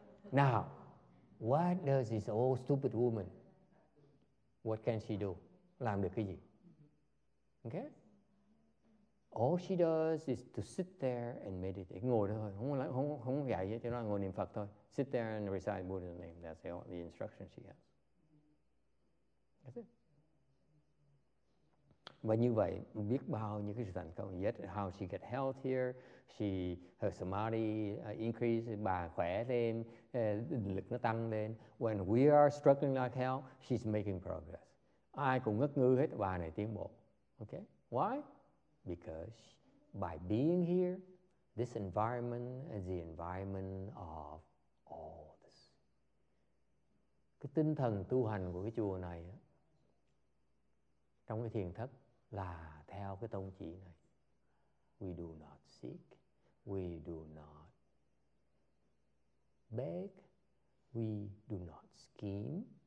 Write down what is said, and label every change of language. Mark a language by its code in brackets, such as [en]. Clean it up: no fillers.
[en] Now, what does this old stupid woman, what can she do? [vi] Làm được cái gì? [en] Okay? All she does is to sit there and meditate. [vi] Ngồi thôi, không dạy gì, chỉ nói ngồi niệm Phật thôi. [en] Sit there and recite Buddha's name. That's the instruction she has. That's it. [vi] Và như vậy, biết bao nhiêu cái sự thành công. [en] Yet how she get healthier, she her samadhi increase, [vi] bà khỏe thêm, định lực nó tăng lên. [en] When we are struggling like hell, she's making progress. [vi] Ai cũng ngất ngư hết, bà này tiến bộ. [en] Okay, why? Because by being here, this environment is the environment of all this. [vi] Cái tinh thần tu hành của cái chùa này á, trong cái thiền thất là theo cái tông chỉ này. [en] We do not seek, we do not beg, we do not scheme.